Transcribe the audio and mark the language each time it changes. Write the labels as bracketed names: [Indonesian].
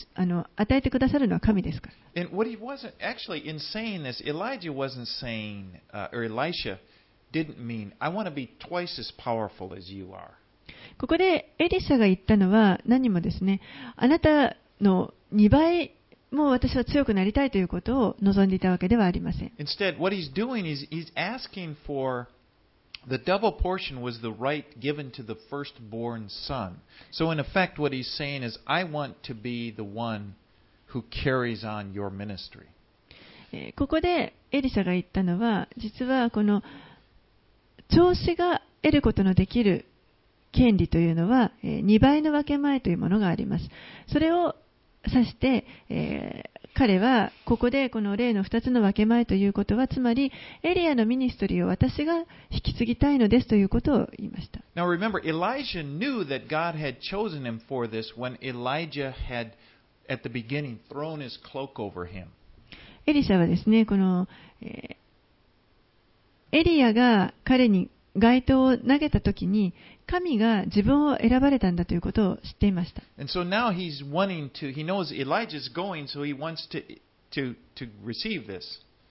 [Japanese] 与えてくださるのは神ですから。 [English] And what he wasn't actually in saying this, Elijah wasn't saying, or Elisha didn't mean, I want to be twice as powerful as you are. [Japanese] ここでエリシャが言ったのは何もですね、あなたの2倍も私は強くなりたいということを望んでいたわけではありません。 [English] Instead, what he's doing is he's asking for. The double portion was the right given to the firstborn son. So in effect, what he's saying is, I want to be the one who carries on your ministry. [Japanese] ここでエリシャが言ったのは、実はこの長子が得ることのできる権利というのは、2倍の分け前というものがあります。それを指して、彼はここでこの例の2つの分け前ということは、つまりエリアのミニストリーを私が引き継ぎたいのですということを言いました。 [English] Now remember, Elijah knew that God had chosen him for this when Elijah had at the beginning thrown his cloak over him. [Japanese] エリシャはですね、この、エリアが彼に街灯を投げたときに神が自分を選ばれたんだということを知っていました。 [English] And so now he's wanting to, he knows Elijah's going, so he wants to receive this.